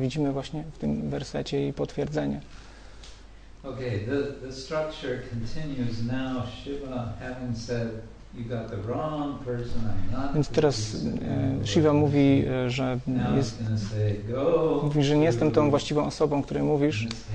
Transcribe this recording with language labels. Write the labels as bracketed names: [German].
[Polish] Widzimy właśnie w tym wersecie jej potwierdzenie. [English] Okay, the structure continues now. Shiva having said, you got the wrong person. I'm not. [Polish] Więc teraz Shiva mówi, że jest. Mówi, że nie jestem tą właściwą osobą, której mówisz.